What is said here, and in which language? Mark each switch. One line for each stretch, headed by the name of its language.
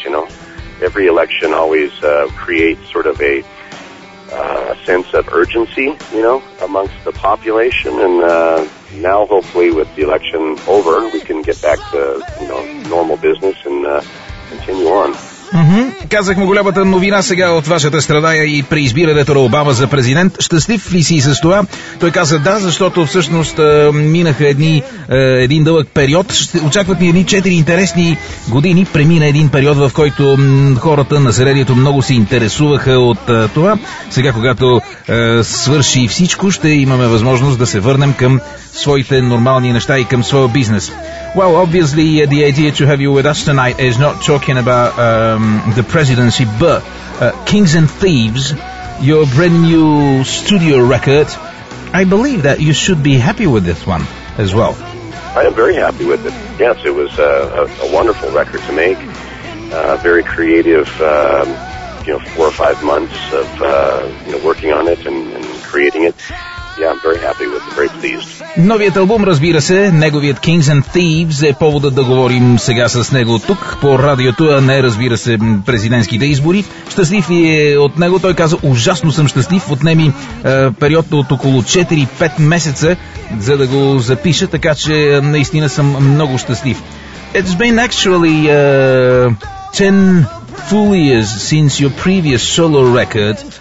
English: You know, every election always creates sort of a sense of urgency, you know, amongst the population, and now hopefully with the election over, we can get back to, you know, normal business and continue on. Mm-hmm.
Bulgarian: Казахме голямата новина сега от вашата страна и при избирането на Обама за президент. Щастлив ли си с това? Той каза да, защото всъщност минаха един дълъг период. Очакват ни едни 4 интересни години. Премина един период, в който хората, населението много се интересуваха от това. Сега, когато свърши всичко, ще имаме възможност да се върнем към своите нормални неща и към своя бизнес.
English: Well, obviously, the idea to have you with us tonight is not talking about the presidency, but Kings and Thieves, your brand new studio record. I believe that you should be happy with this one as well. I am very happy with it. Yes, it was a wonderful record to make. Very creative, you know, 4 or 5 months of you know, working on it and creating it. Yeah, I'm very happy with it. Very pleased.
Bulgarian: Новият албум, разбира се, неговият Kings and Thieves е поводът да говорим сега с него тук по радиото, а не, разбира се, президентските избори. Щастлив ли е от него? Той каза, ужасно съм щастлив. Отнеми период от около 4-5 месеца, за да го запиша, така че наистина съм много щастлив.
English: It's been actually 10 full years since your previous solo record.